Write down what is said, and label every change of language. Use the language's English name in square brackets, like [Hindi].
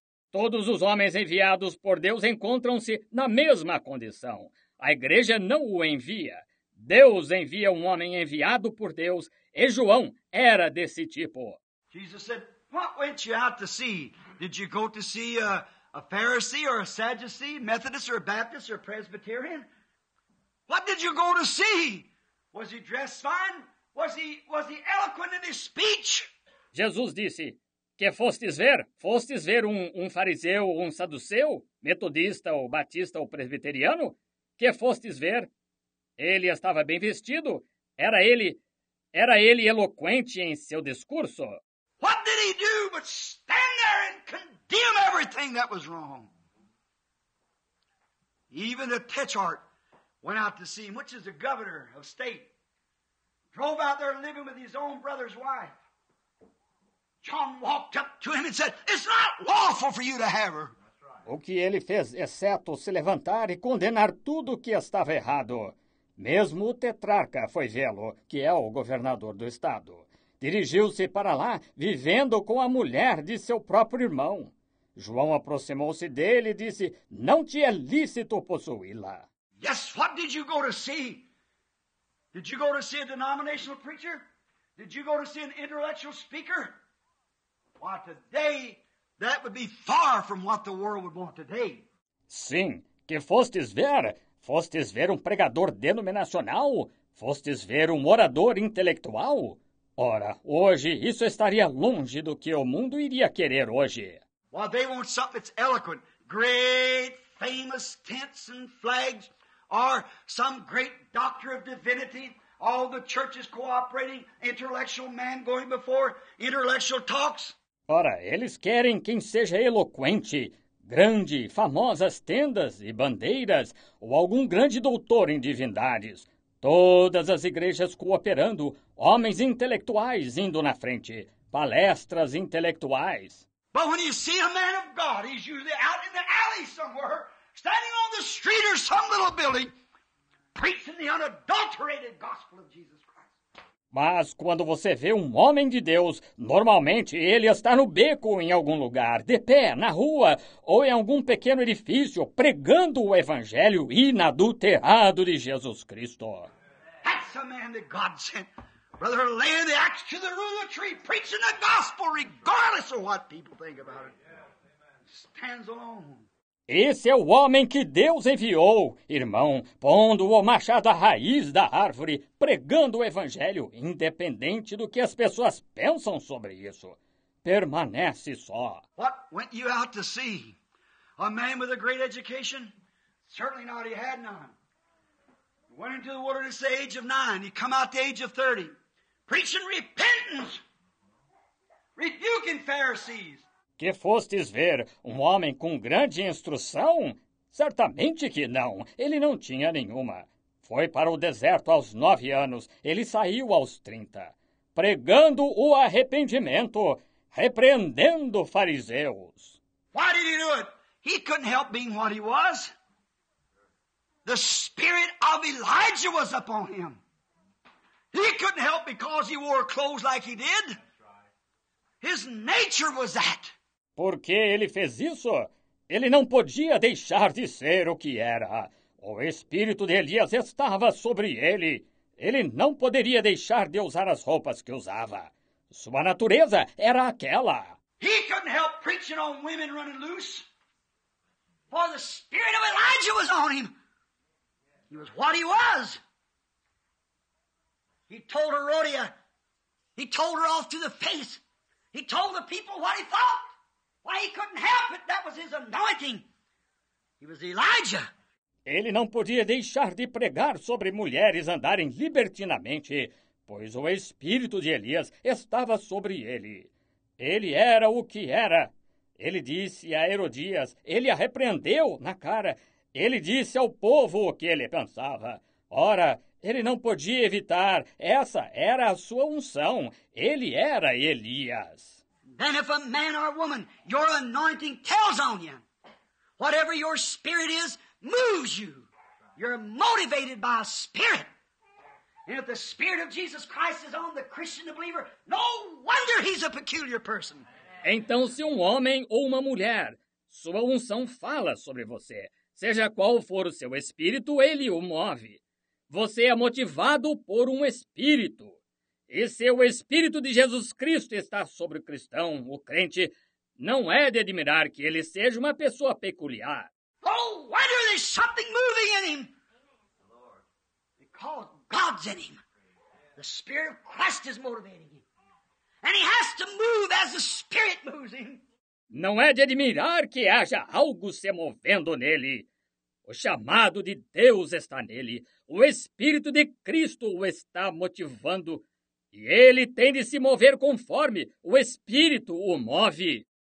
[Portuguese] Todos os homens enviados por Deus encontram-se na mesma condição. A igreja não o envia. Deus envia um homem enviado por Deus, e João era desse tipo. [English] Jesus said, what went you out to see? Did you go to see a Pharisee or a Sadducee, Methodist or a Baptist or a Presbyterian? What did you go to see? Was he dressed fine? Was he eloquent in his speech? [Portuguese] Jesus disse, que fostes ver? Fostes ver um fariseu ou um saduceu, metodista ou batista ou presbiteriano? Que fostes ver? Ele estava bem vestido? Era ele eloquente em seu discurso? [English] What did he do but stand there and condemn everything that was wrong? Even the tetrarch went out to see him, which is the governor of state. Drove out there living with his own brother's wife. John walked up to him and said, it's not lawful for you to have her. [Portuguese] O que ele fez, exceto se levantar e condenar tudo o que estava errado. Mesmo o tetrarca foi vê-lo, que é o governador do estado. Dirigiu-se para lá, vivendo com a mulher de seu próprio irmão. João aproximou-se dele e disse, não te é lícito possuí-la. [English] Yes, what did you go to see? Did you go to see a denominational preacher? Did you go to see an intellectual speaker? Why, today, that would be far from what the world would want today. [Portuguese] Sim, que fostes ver? Fostes ver um pregador denominacional? Fostes ver um orador intelectual? Ora, hoje, isso estaria longe do que o mundo iria querer hoje. [English] Why, they want something that's eloquent. Great, famous tents and flags. Or some great doctor of divinity, all the churches cooperating, intellectual man going before, intellectual talks. [Portuguese] Ora, eles querem quem seja eloquente, grande, famosas tendas e bandeiras, ou algum grande doutor em divindades. Todas as igrejas cooperando, homens intelectuais indo na frente, palestras intelectuais. [English] But when you see a man of God, he's usually out in the alley somewhere. Standing on the street or some little building, preaching the unadulterated gospel of Jesus Christ. [Portuguese] Mas quando você vê um homem de Deus, normalmente ele está no beco em algum lugar, de pé, na rua, ou em algum pequeno edifício, pregando o evangelho inadulterado de Jesus Cristo. [English] That's a man that God sent. Brother, lay the axe to the root of the tree, preaching the gospel regardless of what people think about it. Stands alone. [Portuguese] Esse é o homem que Deus enviou, irmão, pondo o machado à raiz da árvore, pregando o evangelho, independente do que as pessoas pensam sobre isso. Permanece só. [English] What went you out to see? A man with a great education? Certainly not, he had none. Went into the wilderness at the age of 9. He come out at the age of 30. Preaching repentance. Rebuking Pharisees. [Portuguese] Que fostes ver, um homem com grande instrução? Certamente que não, ele não tinha nenhuma. Foi para o deserto aos 9 anos, ele saiu aos 30, pregando o arrependimento, repreendendo fariseus. [English] Why did he do it? He couldn't help being what he was. The spirit of Elijah was upon him. He couldn't help because he wore clothes like he did. His nature was that. [Portuguese] Por que ele fez isso? Ele não podia deixar de ser o que era. O espírito de Elias estava sobre ele. Ele não poderia deixar de usar as roupas que usava. Sua natureza era aquela. [English] He couldn't help preaching on women running loose. For the spirit of Elijah was on him. He was what he was. He told Herodia. He told her off to the face. He told the people what he thought. Why he couldn't help it. That was his anointing. He was Elijah. [Portuguese] Ele não podia deixar de pregar sobre mulheres andarem libertinamente, pois o espírito de Elias estava sobre ele. Ele era o que era. Ele disse a Herodias, ele a repreendeu na cara. Ele disse ao povo o que ele pensava. Ora, ele não podia evitar. Essa era a sua unção. Ele era Elias. [English] Then if a man or a woman, your anointing tells on you, whatever your spirit is, moves you. You're motivated by a spirit. And if the spirit of Jesus Christ is on the Christian, the believer, no wonder he's a peculiar person. [Portuguese] Então, se um homem ou uma mulher, sua unção fala sobre você, seja qual for o seu espírito, ele o move. Você é motivado por um espírito. E se o espírito de Jesus Cristo está sobre o cristão, o crente, não é de admirar que ele seja uma pessoa peculiar. [English] Oh, wonder there's something moving in him. Because God's in him. The Spirit of Christ is motivating him. And he has to move as the Spirit moves him. [Portuguese] Não é de admirar que haja algo se movendo nele. O chamado de Deus está nele. O Espírito de Cristo o está motivando. E ele tem de se mover conforme o Espírito o move.